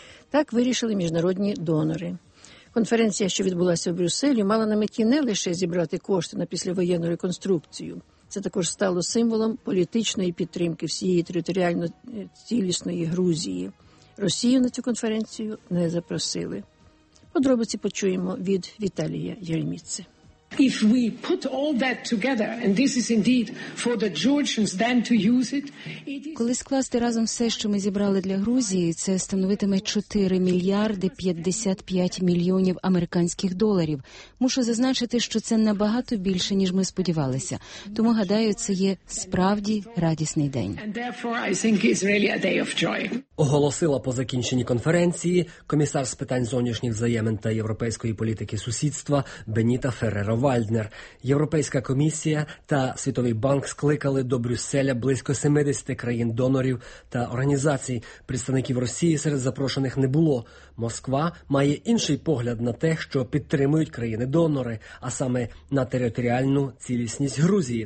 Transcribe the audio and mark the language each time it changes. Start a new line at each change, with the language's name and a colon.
Ukrainian: Так вирішили міжнародні донори. Конференція, що відбулася в Брюсселі, мала на меті не лише зібрати кошти на післявоєнну реконструкцію. Це також стало символом політичної підтримки всієї територіально цілісної Грузії. Росію на цю конференцію не запросили. Подробиці почуємо від Віталія Єрміці.
English: If we put all that together, and this is indeed for the Georgians then to use it,
Ukrainian: коли скласти разом все, що ми зібрали для Грузії, це становитиме 4 мільярди 55 мільйонів американських доларів. Мушу зазначити, що це набагато більше, ніж ми сподівалися. Тому гадаю, це є справді радісний день.
English: And therefore I think it's really a day of joy.
Ukrainian: Оголосила по закінченні конференції комісар з питань зовнішніх взаємин та європейської політики сусідства Беніта Ферреро Вальднер. Європейська комісія та Світовий банк скликали до Брюсселя близько 70 країн-донорів та організацій. Представників Росії серед запрошених не було. Москва має інший погляд на те, що підтримують країни-донори, а саме на територіальну цілісність Грузії.